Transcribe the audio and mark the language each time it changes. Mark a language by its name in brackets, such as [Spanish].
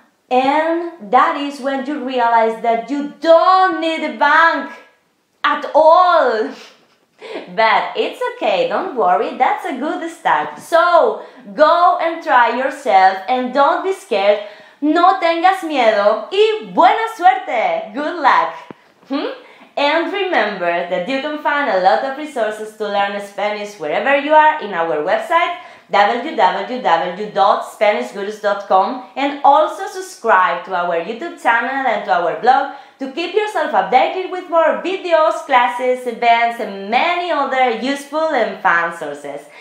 [English] And that is when you realize that you don't need a bank at all. But it's okay, don't worry, that's a good start. So, go and try yourself and don't be scared. [Spanish] No tengas miedo y buena suerte. [English] Good luck. And remember that you can find a lot of resources to learn Spanish wherever you are in our website, www.spanishgurus.com, and also subscribe to our YouTube channel and to our blog to keep yourself updated with more videos, classes, events, and many other useful and fun sources.